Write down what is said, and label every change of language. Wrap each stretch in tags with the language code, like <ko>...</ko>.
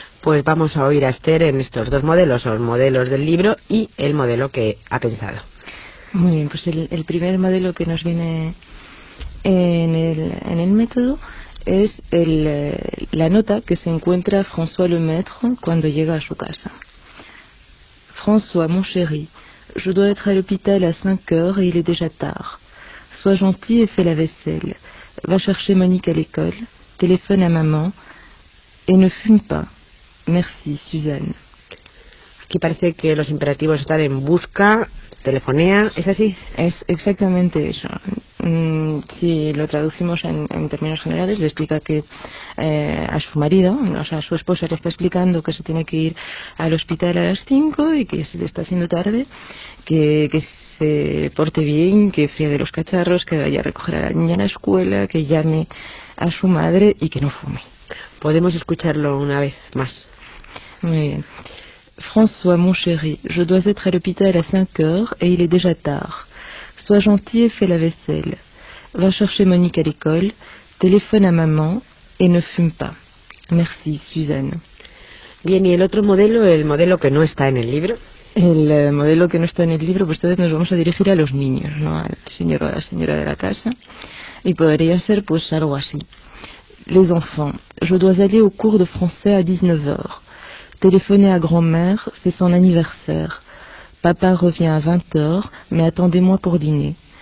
<es>Pues vamos a oír a Esther en estos dos modelos, los modelos del libro y el modelo que ha pensado. Muy bien, pues el primer modelo que nos viene en el método es la nota que se encuentra François Lemaître cuando llega a su casa.</es> <fr>François, mon chéri, je dois être à l'hôpital à 5h et il est déjà tard. Sois gentil et fais la vaisselle. Va chercher Monique à l'école, téléphone à maman et ne fume pas. Merci, Suzanne.</fr> <es>Aquí parece que los imperativos están en busca, telefonea, ¿es así? Es exactamente eso. Si lo traducimos en términos generales, le explica que a su marido, o sea, a su esposa, le está explicando que se tiene que ir al hospital a las 5 y que se le está haciendo tarde, que se porte bien, que friegue los cacharros, que vaya a recoger a la niña a la escuela, que llame a su madre y que no fume. Podemos escucharlo una vez más. Muy bien.</es> <fr>François, mon chéri, je dois être à l'hôpital à 5h et il est déjà tard. Sois gentil et fais la vaisselle. Va chercher Monique à l'école, téléphone à maman et ne fume pas. Merci, Suzanne.</fr> <es>Bien, y el otro modelo, el modelo que no está en el libro. El modelo que no está en el libro, pues entonces nos vamos a dirigir a los niños, ¿no? Al señor o a la señora de la casa. Y podría ser, pues, algo así.</es> <fr>Les enfants, je dois aller au cours de français à 19h. Téléphonez à grand-mère, c'est son anniversaire. Papa revient à 20h, mais attendez-moi pour dîner.</fr>